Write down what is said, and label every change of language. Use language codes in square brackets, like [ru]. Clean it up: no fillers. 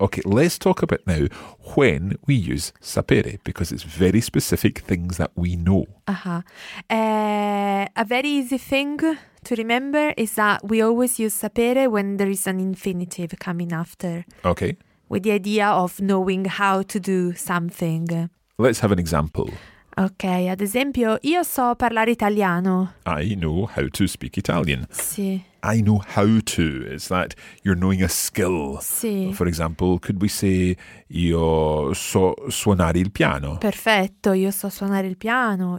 [en] Okay, let's talk about now when we use sapere, because it's very specific things that we know. Uh-huh. A very easy thing to remember is that we always use sapere when there is an infinitive coming after. Okay. With the idea of knowing how to do something. Let's have an example. [it] Ok, ad esempio, io so parlare italiano. [en] I know how to speak Italian. [it] Sì. [en] I know how to. It's that you're knowing a skill. [it] Sì. [en] For example, could we say, [it] io so suonare il piano. Perfetto, io so suonare il piano.